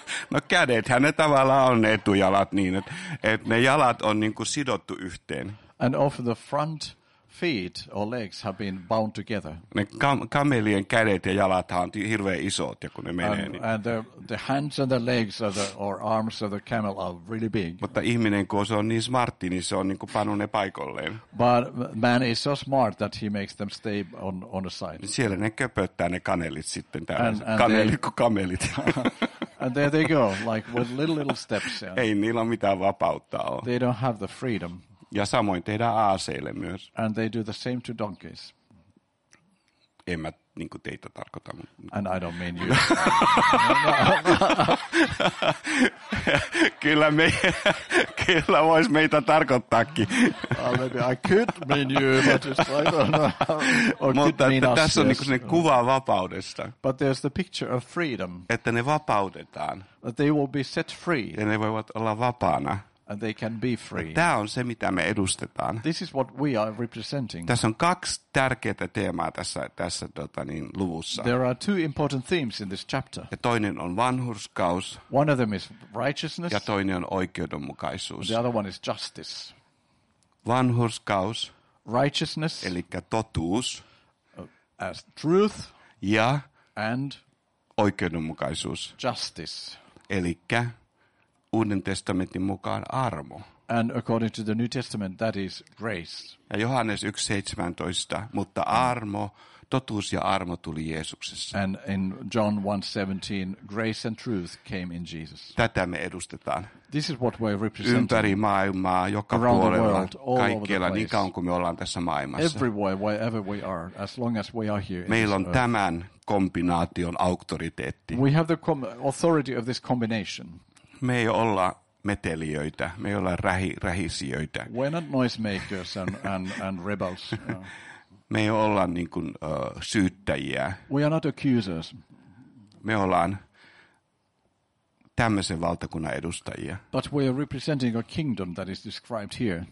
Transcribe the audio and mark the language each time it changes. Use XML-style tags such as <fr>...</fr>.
<fi>No kädethän ne tavallaan on ne etujalat niin, että ne jalat on niin kuin sidottu yhteen.</fi> <en>And often the front feet or legs have been bound together.</en> <fi>Ne kamelien kädet ja jalathan on hirveän isot, ja kun ne menee.</fi> <en>And, and the hands and the legs of the, or arms of the camel are really big.</en> <fi>Mutta ihminen, kun se on niin smartti, niin se on niin kuin panu ne paikolleen.</fi> <en>But man is so smart that he makes them stay on the side.</en> <fi>Siellä ne köpöttää ne kanelit sitten täällä. Kamelit.</fi> <en>And there they go, like with little steps. Yeah.</en> <fi>Ei niillä mitään vapautta ole.</fi> <en>They don't have the freedom.</en> <fi>Ja samoin tehdään aaseille myös.</fi> <en>And they do the same to donkeys.</en> <fi>En mä niin kuin teitä tarkoita. Mutta...</fi> <en>And I don't mean you.</en> <fi>Kyllä vois meitä tarkoittaakin.</fi> <en>Maybe I could mean you, but just like...</en> <fi>Mutta tässä on niin kuin sellainen kuva vapaudesta.</fi> <en>But there's the picture of freedom.</en> <fi>Että ne vapautetaan.</fi> <en>That they will be set free.</en> <fi>Ja ne voivat olla vapaana.</fi> <en>And they can be free.</en> <fi>Tämä on se, mitä me edustetaan.</fi> <en>This is what we are representing.</en> <fi>Tässä on kaksi tärkeää teemaa tässä luvussa.</fi> <en>There are two important themes in this chapter.</en> <fi>Ja toinen on vanhurskaus.</fi> <en>One of them is righteousness.</en> <fi>Ja toinen on oikeudenmukaisuus.</fi> <en>The other one is justice.</en> <fi>Vanhurskaus.</fi> <en>Righteousness.</en> <fi>Eli totuus.</fi> <en>as truth</en> <fi>ja</fi> <en>and</en> <fi>oikeudenmukaisuus</fi> <en>justice.</en> <fi>Elikkä Uuden testamentin mukaan armo.</fi> <en>And according to the New Testament that is grace.</en> <fi>Ja Johannes 1:17, mutta armo, totuus ja armo tuli Jeesuksessa.</fi> <en>And in John 1:17, grace and truth came in Jesus.</en> <fi>Tätä me edustetaan.</fi> <en>This is what we're representing.</en> <fi>Ympäri maailmaa, joka</fi> <en>around</en> <fi>puolella,</fi> <en>the world, all</en> <fi>kaikkialla, niin kauan kuin me ollaan tässä maailmassa.</fi> <en>Everywhere, wherever we are, as long as we are here.</en> <fi>Meillä on tämän kombinaation auktoriteetti.</fi> <en>We have the authority of this combination.</en> <fi>Me ei olla metelijöitä, me ei olla rähisijöitä.</fi> <en>We're not noisemakers and rebels.</en> <fi>Me ei olla niin kuin, syyttäjiä.</fi> <en>We are not accusers.</en> <fi>Me ollaan tämmöisen valtakunnan edustajia.</fi> <en>But we are representing a kingdom that is described here.</en>